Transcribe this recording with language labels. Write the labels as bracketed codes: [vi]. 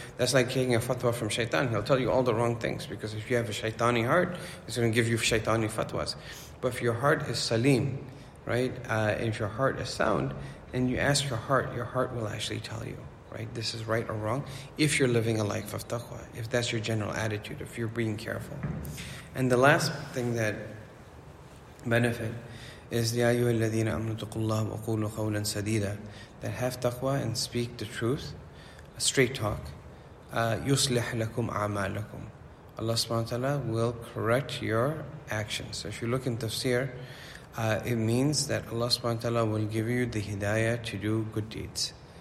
[en] That's like taking a fatwa from shaitan. He'll tell you all the wrong things, because if you have a shaitani heart, he's going to give you shaitani fatwas. But if your heart is salim, right? And if your heart is sound, then you ask your heart will actually tell you, right? This is right or wrong, if you're living a life of taqwa, if that's your general attitude, if you're being careful. And the last thing that benefit is [ar] يَا أَيُّهَا الَّذِينَ أَمْنُوا تَقُوا اللَّهُ وَقُولُوا قَوْلًا سَدِيدًا. [en] That have taqwa and speak the truth, a straight talk. [ar] يُصْلِحْ لَكُمْ أَعْمَالَكُمْ. [en] Allah subhanahu wa ta'ala will correct your actions. So if you look in tafsir, it means that Allah subhanahu wa ta'ala will give you the hidayah to do good deeds.